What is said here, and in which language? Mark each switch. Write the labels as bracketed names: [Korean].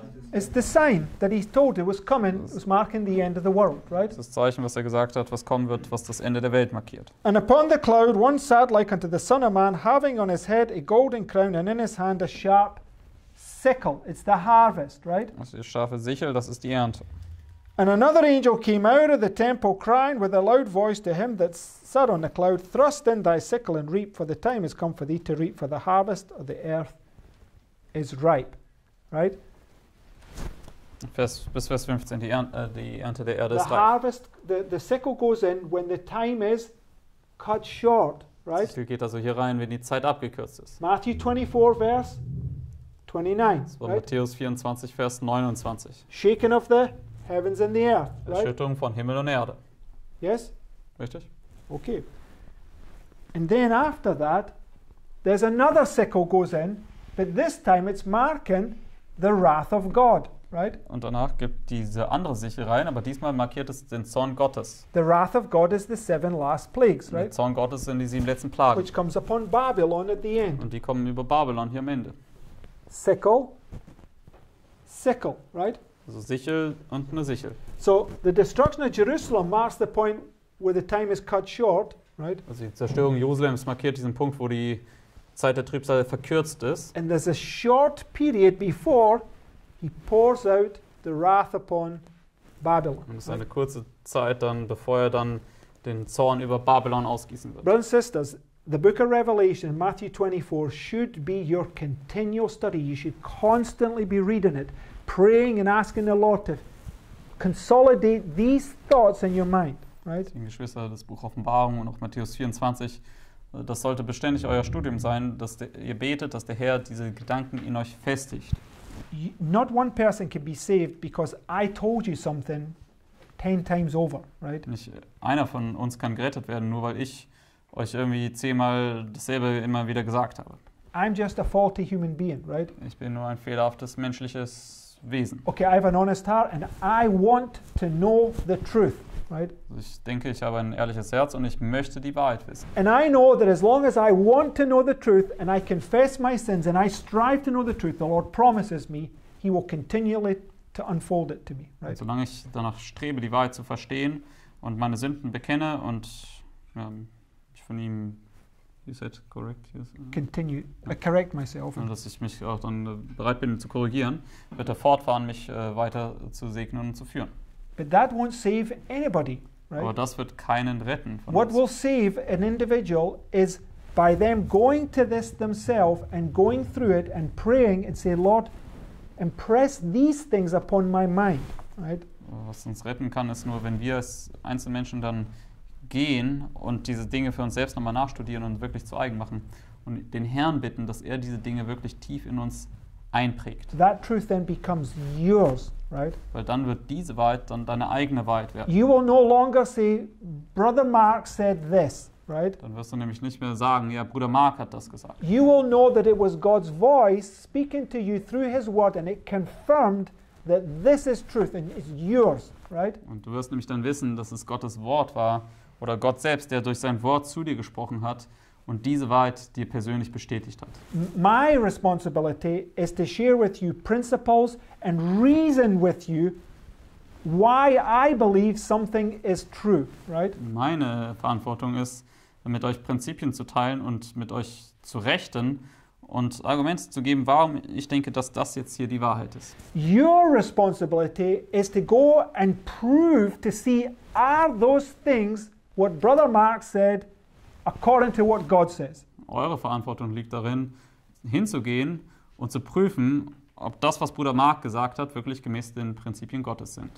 [English] It's the sign that he told it was coming, it was marking the end of the world, right? [German] Das Zeichen, was er gesagt hat, was kommen wird, was das Ende der Welt markiert. [English] And upon the cloud one sat like unto the Son of Man, having on his head a golden crown and in his hand a sharp sickle. It's the harvest, right? [German] Das ist die scharfe Sichel, das ist die Ernte. [English] And another angel came out of the temple, crying with a loud voice to him that sat on the cloud, thrust in thy sickle and reap, for the time has come for thee to reap, for the harvest of the earth is ripe. Right? [German] Bis Vers 15, die Ernte der Erde [English] the [German] ist [English] ripe. The harvest, the sickle goes in when the time is cut short. Right? [German] Sichel geht also hier rein, wenn die Zeit abgekürzt ist. [English] Matthew 24, verse 29. So, right? [German] Matthäus 24, Vers 29. [English] Shaken of the heavens and the earth, right? [German] Erschütterung von Himmel und Erde. [English] Yes? [German] Richtig. [English] Okay. And then after that, there's another sickle goes in, but this time it's marking the wrath of God, right? [German] Und danach gibt diese andere Sichel rein, aber diesmal markiert es den Zorn Gottes. [English] The wrath of God is the seven last plagues, right? [German] Der Zorn Gottes sind die sieben letzten Plagen. [English] Which comes upon Babylon at the end. [German] Und die kommen über Babylon hier am Ende. [English] Sickle, sickle, right? [German] Also Sichel und eine Sichel. [English] So the destruction of Jerusalem marks the point where the time is cut short, right? [German] Also die Zerstörung Jerusalems markiert diesen Punkt, wo die Zeit der Trübsal verkürzt ist. [English] And there's a short period before he pours out the wrath upon Babylon. [German] Und es ist eine kurze Zeit dann, bevor er dann den Zorn über Babylon ausgießen wird. [English] Brothers and sisters, the book of Revelation, Matthew 24, should be your continual study. You should constantly be reading it, praying and asking the Lord to consolidate these thoughts in your mind, right? [German] Geschwister, das Buch Offenbarung und auch Matthäus 24, das sollte beständig euer Studium sein, dass ihr betet, dass der Herr diese Gedanken in euch festigt. [English] Not one person can be saved because I told you something 10 times over, right? [German] Nicht einer von uns kann gerettet werden, nur weil ich euch irgendwie 10-mal dasselbe immer wieder gesagt habe. [English] I'm just a faulty human being, right? [German] Ich bin nur ein fehlerhaftes menschliches Wesen. [English] Okay, I have an honest heart and I want to know the truth, right? [German] Ich denke, ich habe ein ehrliches Herz und ich möchte die Wahrheit wissen. [English] And I know that as long as I want to know the truth and I confess my sins and I strive to know the truth, the Lord promises me he will continually to unfold it to me, right? [German] Und solange ich danach strebe, die Wahrheit zu verstehen und meine Sünden bekenne und ich von ihm [English] correct myself. [German] Und dass ich mich auch dann bereit bin zu korrigieren, wird er fortfahren, mich weiter zu segnen und zu führen. [English] But that won't save anybody, right? [German] Aber das wird keinen retten. Von [English] what [German] uns. [English] Will save an individual is by them going to this themselves and going through it and praying and say, Lord, impress these things upon my mind, right? [German] Was uns retten kann, ist nur, wenn wir als Einzelmenschen dann gehen und diese Dinge für uns selbst nochmal nachstudieren und wirklich zu eigen machen und den Herrn bitten, dass er diese Dinge wirklich tief in uns einprägt. [English] That truth then becomes yours, right? [German] Weil dann wird diese Wahrheit dann deine eigene Wahrheit werden. [English] You will no longer say, Brother Mark said this, right? [German] Dann wirst du nämlich nicht mehr sagen, ja, Bruder Mark hat das gesagt. [English] You will know that it was God's voice speaking to you through His Word, and it confirmed that this is truth and it's yours, right? [German] Und du wirst nämlich dann wissen, dass es Gottes Wort war oder Gott selbst, der durch sein Wort zu dir gesprochen hat. Und diese Wahrheit, die er persönlich bestätigt hat. [English] My responsibility is to share with you principles and reason with you why I believe something is true, right? [German] Meine Verantwortung ist, mit euch Prinzipien zu teilen und mit euch zu rechten und Argumente zu geben, warum ich denke, dass das jetzt hier die Wahrheit ist. [English] Your responsibility is to go and prove to see are those things what Brother Mark said according to what God says. [German] Eure Verantwortung liegt darin, hinzugehen und zu prüfen, ob das, was Bruder Mark gesagt hat, wirklich gemäß den Prinzipien Gottes sind.